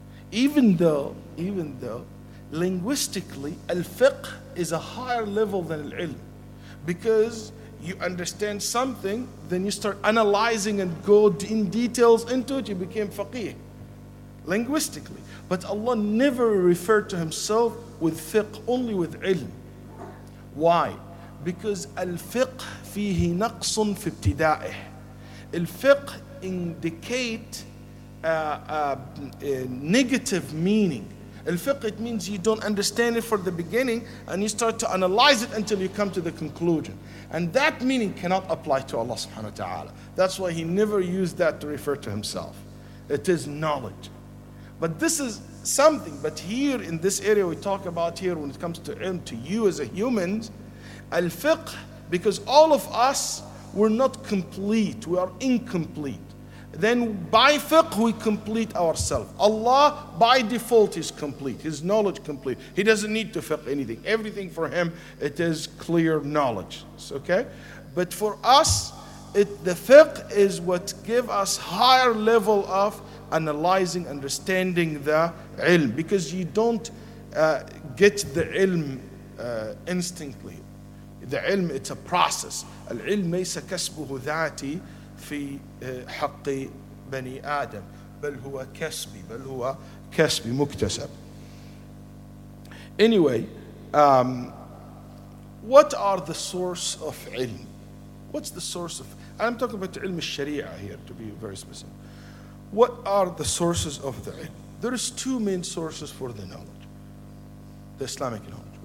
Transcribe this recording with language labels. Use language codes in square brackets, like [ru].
[en] Even though, linguistically, al-fiqh is a higher level than al-ilm. Because you understand something, then you start analyzing and go in details into it, you became faqih. Linguistically. But Allah never referred to himself with fiqh, only with ilm. Why? [ar] Because الفقه فيه نقص في ابتدائه. [en] الفقه indicate a negative meaning. الفقه, it means you don't understand it for the beginning and you start to analyze it until you come to the conclusion. And that meaning cannot apply to Allah subhanahu wa ta'ala. That's why he never used that to refer to himself. It is knowledge. But this is something, but here in this area we talk about here when it comes to ilm, to you as a human, al-fiqh, because all of us, we're not complete, we are incomplete. Then by fiqh, we complete ourselves. Allah, by default, is complete, his knowledge complete. He doesn't need to fiqh anything. Everything for him, it is clear knowledge, okay? But for us, the fiqh is what give us higher level of analyzing, understanding the ilm, because you don't get the ilm instantly. The ilm, it's a process. [ar] العلم ليس كسبه ذاتي في حق بني آدم بل هو كسبي مكتسب. [en] Anyway, what are the source of ilm? What's the source of? I'm talking about علم الشريعة here, to be very specific. What are the sources of the ilm? There is two main sources for the knowledge, the Islamic knowledge.